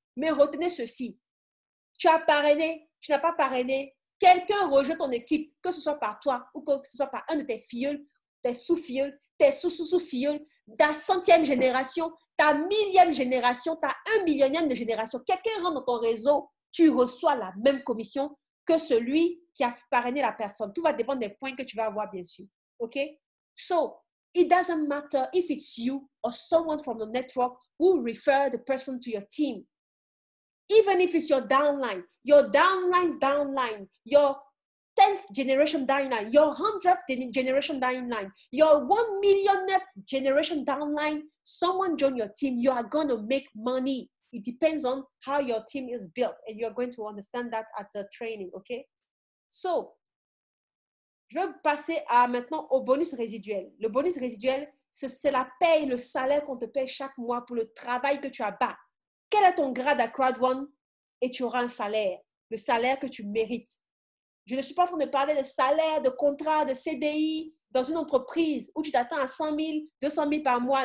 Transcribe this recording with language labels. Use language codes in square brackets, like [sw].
[fr] Mais retenez ceci, tu as parrainé, tu n'as pas parrainé, quelqu'un rejoint ton équipe, que ce soit par toi ou que ce soit par un de tes filleuls, tes sous-filleuls, tes sous-sous-sous-filleuls, ta centième génération, ta millième génération, ta un millionième de génération. Quelqu'un rentre dans ton réseau, tu reçois la même commission que celui qui a parrainé la personne. Tout va dépendre des points que tu vas avoir, bien sûr. OK? [en] So, it doesn't matter if it's you or someone from the network who refer the person to your team. Even if it's your downline's downline, your 10th generation downline, your 100th generation downline, your 1 millionth generation downline, someone join your team, you are going to make money. It depends on how your team is built and you are going to understand that at the training, okay? [fr] So, je vais passer à maintenant au bonus résiduel. Le bonus résiduel, c'est la paye, le salaire qu'on te paye chaque mois pour le travail que tu as bas. Quel est ton grade à Crowd One et tu auras un salaire, le salaire que tu mérites. Je ne suis pas en train de parler de salaire, de contrat, de CDI dans une entreprise où tu t'attends à 100 000, 200 000 par mois.